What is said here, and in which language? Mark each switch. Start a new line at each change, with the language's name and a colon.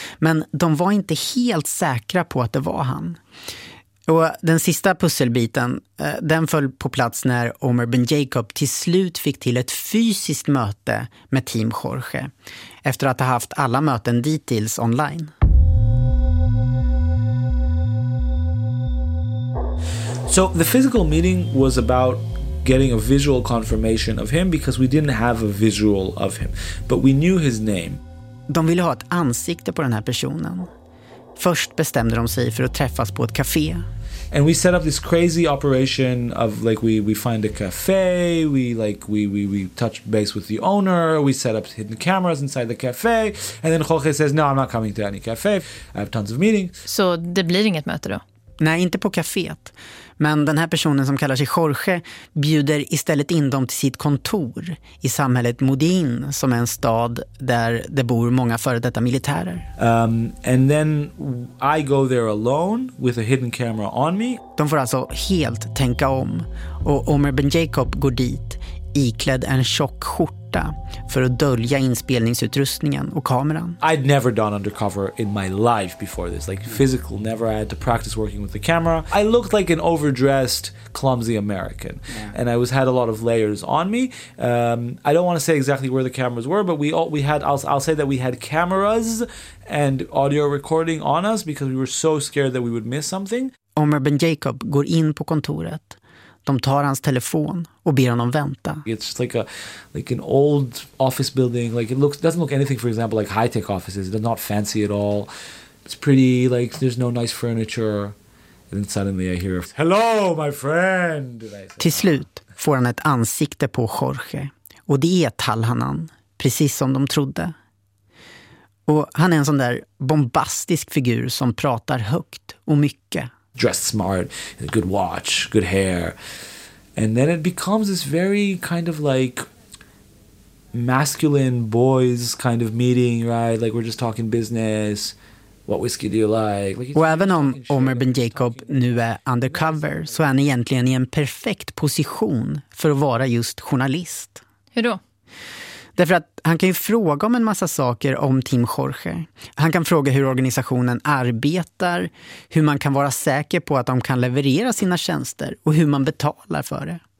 Swedish: Men de var inte helt säkra på att det var han. Och den sista pusselbiten, den föll på plats när Omer Ben Jacob till slut fick till ett fysiskt möte med Team Jorge efter att ha haft alla möten dittills online.
English: So the physical meeting was about getting a visual confirmation of him because we didn't have a visual of him, but we knew his name.
Swedish: De ville ha ett ansikte på den här personen. Först bestämde de sig för att träffas på ett café.
English: And we set up this crazy operation of like we find a cafe, we touch base with the owner, we set up hidden cameras inside the cafe, and then Jorge says no, I'm not coming to any cafe. I have tons of meetings.
Swedish: Så det blir inget möte då. Nej, inte på kaféet. Men den här personen som kallar sig Jorge bjuder istället in dem till sitt kontor i samhället Modin, som är en stad där det bor många före detta militärer.
English: And then I go there alone with a hidden camera on me.
Swedish: De får alltså helt tänka om. Och Omer Ben Jacob går dit iklädd en tjock skjorta för att dölja inspelningsutrustningen och kameran.
English: I'd never done undercover in my life before this, like physical, never. I had to practice working with the camera. I looked like an overdressed, clumsy American. Yeah. And I was had a lot of layers on me. I don't want to say exactly where the cameras were, but we had cameras and audio recording on us because we were so scared that we would miss something.
Swedish: Omer Ben Jacob går in på kontoret. De tar hans telefon och ber honom vänta.
English: It's just like an old office building. Like it looks, doesn't look anything for example like high-tech offices. It's not fancy at all. It's pretty, like there's no nice furniture. And then suddenly I hear, "Hello, my friend."
Swedish: Till slut får han ett ansikte på Jorge, och det är Talhanan, precis som de trodde. Och han är en sån där bombastisk figur som pratar högt och mycket.
English: Dressed smart, good watch, good hair. And then it becomes this very kind of like masculine boys kind of meeting, right? Like we're just talking business. What whiskey do you like?
Swedish: Och även om Omer Ben Jacob nu är undercover, så är han egentligen i en perfekt position för att vara just journalist. Hur då? Därför att han kan ju fråga om en massa saker om Team Jorge. Han kan fråga hur organisationen arbetar, hur man kan vara säker på att de kan leverera sina tjänster och hur man betalar för det.